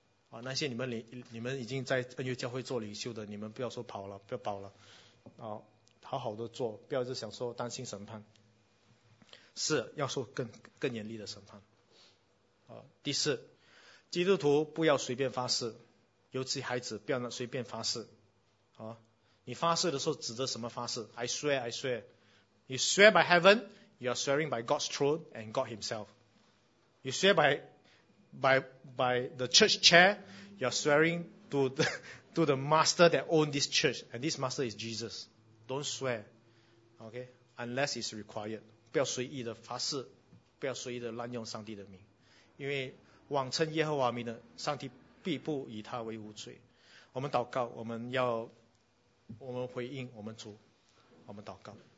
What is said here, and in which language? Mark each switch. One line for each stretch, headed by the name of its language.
Chinese: 啊，那些你们已经在恩约教会做领袖的，你们不要说跑了，不要跑了，啊，好好的做，不要就想说担心审判。是要受更严厉的审判。啊，第四，基督徒不要随便发誓，尤其孩子不要随便发誓。啊，你发誓的时候指着什么发誓 ？
English: I swear, I swear。 You swear by heaven, you are swearing by God's throne and God himself. You swear by the church chair, you are swearing to the master that owned this church. And this master is Jesus. Don't swear. Okay? Unless it's required.
Chinese: 不要随意的发誓，不要随意的滥用上帝的名。因为妄称耶和华名的，上帝必不以他为无罪。我们祷告，我们回应我们主，我们祷告。